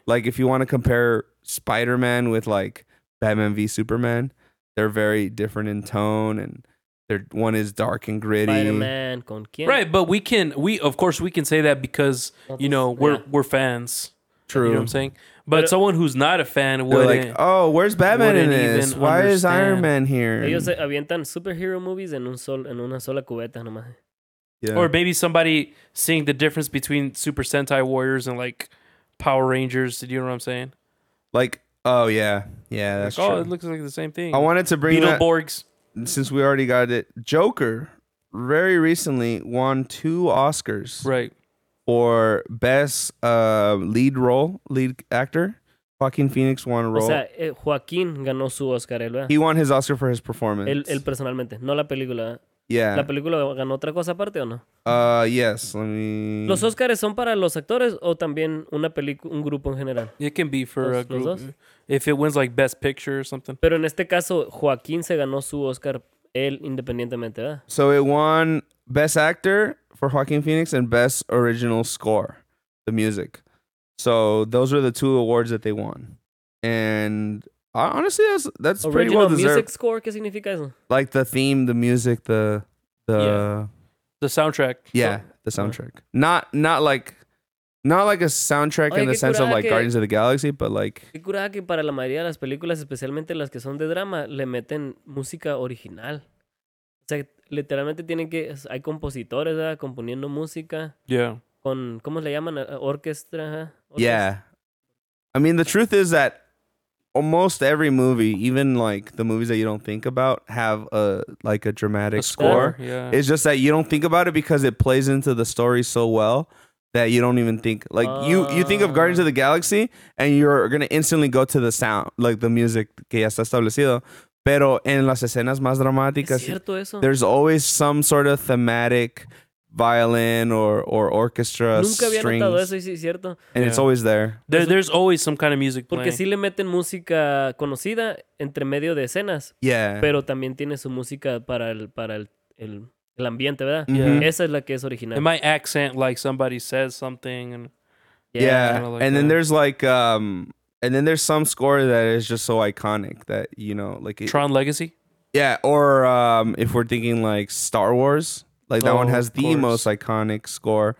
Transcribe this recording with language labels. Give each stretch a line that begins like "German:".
English: Like if you want to compare Spider-Man with like Batman v Superman, they're very different in tone and... One is dark and gritty.
Spanish: Spider-Man, con quien?
English: Right, but we can, we of course we can say that because you know we're yeah. we're fans. True, you know what I'm saying. But someone who's not a fan would like, oh, where's Batman in this? Why understand. Is Iron Man here?
Spanish: Ellos avientan
English: superhero movies
Spanish: en un sol en una sola cubeta nomás.
English: Yeah. Or maybe somebody seeing the difference between Super Sentai Warriors and like Power Rangers. Do you know what I'm saying? Like, oh yeah, yeah, that's like, true. Oh, it looks like the same thing. I wanted to bring Beetleborgs. That- Since we already got it, Joker very recently won 2 Oscars. Right. For best lead role, lead actor. Joaquin Phoenix won a role.
Spanish: O sea, Joaquin ganó su Oscar. Él,
English: he won his Oscar for his performance.
Spanish: Él personalmente, no la película.
English: Yeah.
Spanish: ¿La película ganó otra cosa aparte o no?
English: Yes. Let me...
Spanish: ¿Los Oscars son para los actores o también una un grupo en general?
English: It can be for a group.
Spanish: Dos?
English: If it wins like Best Picture or something.
Spanish: Pero en este caso, Joaquín se ganó su Oscar él independientemente, ¿verdad?
English: So it won Best Actor for Joaquin Phoenix and Best Original Score, the music. So those are the 2 awards that they won. And honestly, that's original pretty well deserved. Music score,
Spanish: ¿qué significa eso?
English: Like the theme, the music, the yeah. The soundtrack. Yeah, the soundtrack. Uh-huh. Not like a soundtrack.
Spanish: Oye,
English: in the sense of like Guardians of the Galaxy, but like.
Spanish: Qué curada que para la mayoría de las películas, especialmente las que son de drama, le meten música original. O sea, literalmente tienen que hay compositores, ¿verdad? Componiendo música.
English: Yeah.
Spanish: Con ¿cómo le llaman? Orquestra.
English: Yeah. I mean, the truth is that almost every movie, even like the movies that you don't think about, have a dramatic score. Yeah. It's just that you don't think about it because it plays into the story so well. That you don't even think, like, you think of Guardians of the Galaxy, and you're going to instantly go to the sound, like, the music
Spanish: que ya está establecido. Pero en las escenas más dramáticas,
English: there's always some sort of thematic violin or orchestra
Spanish: nunca había
English: strings.
Spanish: Notado eso, y sí, cierto.
English: And yeah. It's always there. There's always some kind of music playing.
Spanish: Porque sí le meten música conocida entre medio de escenas.
English: Yeah.
Spanish: Pero también tiene su música para el el ambiente, ¿verdad?
English: Yeah.
Spanish: Esa es la que es original.
English: It might accent like somebody says something. And, yeah. Like and then that. There's like, and then there's some score that is just so iconic that, you know, like. Tron Legacy? Yeah. Or if we're thinking like Star Wars, like that one has the most iconic score.